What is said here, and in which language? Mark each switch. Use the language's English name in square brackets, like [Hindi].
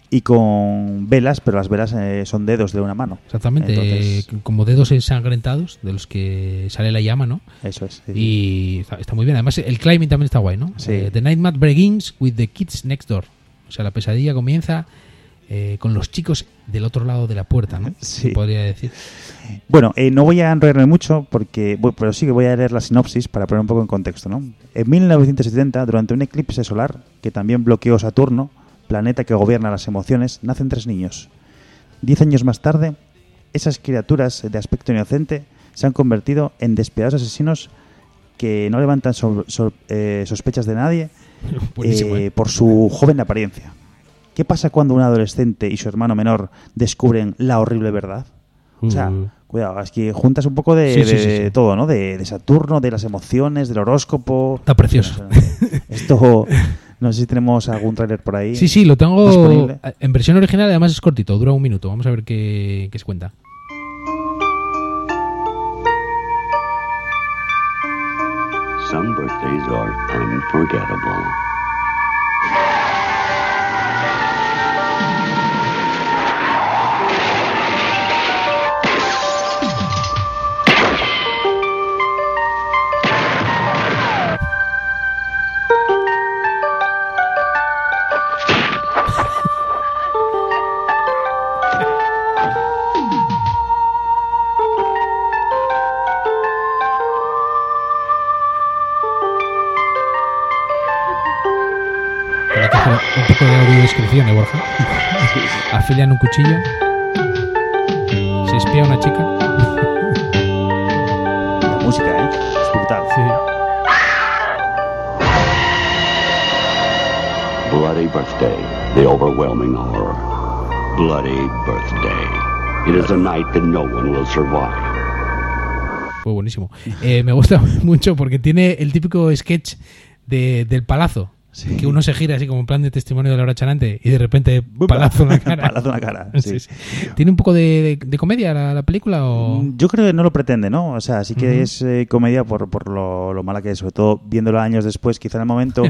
[Spanish] Y con velas, pero las velas son dedos de una mano. Exactamente. Entonces, como dedos ensangrentados de los que sale la llama, ¿no? Eso es. Sí. Y está muy bien. Además, el climbing también está guay, ¿no? Sí. [English] The nightmare begins with the kids next door. [Spanish] O sea, la pesadilla comienza con los chicos del otro lado de la puerta, ¿no? Sí. Podría decir. Bueno, no voy a enrollarme mucho, pero sí que voy a leer la sinopsis para poner un poco en contexto, ¿no? En 1970, durante un eclipse solar que también bloqueó Saturno, planeta que gobierna las emociones, nacen tres niños. 10 años más tarde, esas criaturas de aspecto inocente se han convertido en despiadados asesinos que no levantan sospechas de nadie por su joven apariencia. ¿Qué pasa cuando un adolescente y su hermano menor descubren la horrible verdad? O sea, cuidado, es que juntas un poco de todo, ¿no? De Saturno, de las emociones, del horóscopo. Está precioso. Esto, no sé si tenemos algún tráiler por ahí. Sí, lo tengo disponible. En versión original, además es cortito, dura un minuto. Vamos a ver qué se cuenta. [English] Some birthdays are unforgettable. [Spanish] Un poco de audiodescripción, Borja. Afilian un cuchillo. Se espía a una chica. La música, es brutal. Sí. [English] Bloody birthday, the overwhelming horror. Bloody birthday. It is a night that no one will survive. [Spanish] Fue buenísimo. Me gusta mucho porque tiene el típico sketch del palazo. Sí. Que uno se gira así como en plan de testimonio de Laura Chanante y de repente palazo en la cara. Palazo en la cara, sí. Sí, sí. ¿Tiene un poco de comedia la película? O... Yo creo que no lo pretende, ¿no? O sea, sí que es comedia por lo mala que es, sobre todo viéndola años después, quizá en el momento...